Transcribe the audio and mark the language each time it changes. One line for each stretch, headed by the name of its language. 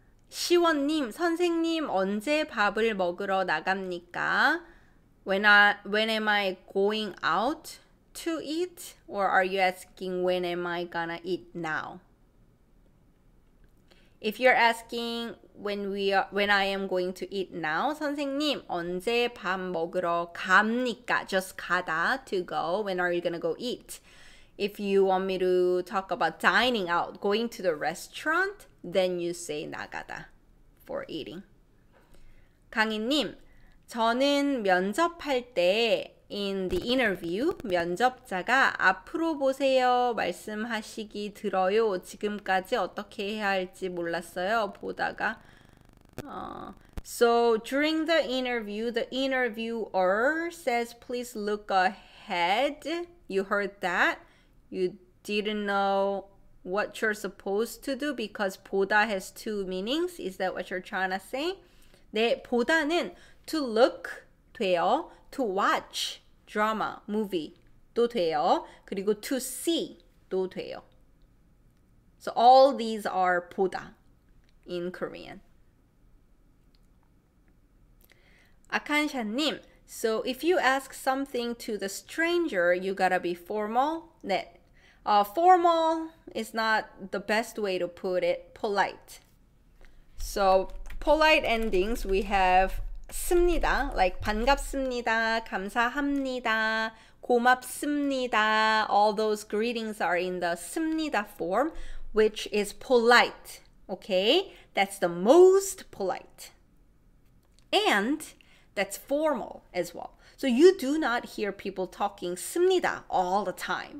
Korean: 시원님, 선생님, 언제 밥을 먹으러 나갑니까?
English: When am I going out to eat? Or are you asking when am I gonna eat now? If you're asking when I am going to eat now,
Korean: 선생님, 언제 밥 먹으러 갑니까?
English: Just 가다, to go. When are you gonna go eat? If you want me to talk about dining out, going to the restaurant, then you say 나가다 for eating.
Korean: 강희님, 저는 면접할 때
English: in the interview,
Korean: 면접자가 앞으로 보세요 말씀하시기 들어요. 지금까지 어떻게 해야 할지 몰랐어요. 보다가
English: So during the interviewer says, please look ahead. You heard that. You didn't know what you're supposed to do because 보다 has two meanings. Is that what you're trying to say?
Korean: 네, 보다는
English: to look
Korean: 돼요.
English: To watch drama, movie
Korean: 도 돼요. 그리고
English: to see
Korean: 도 돼요.
English: So all these are 보다 in Korean.
Korean: 아칸샤님,
English: so if you ask something to the stranger, you gotta be formal.
Korean: 네.
English: Formal is not the best way to put it, polite. So polite endings, we have
Korean: 씁니다, like 반갑습니다, 감사합니다, 고맙습니다.
English: All those greetings are in the 씁니다 form, which is polite, okay? That's the most polite. And that's formal as well. So you do not hear people talking 씁니다 all the time.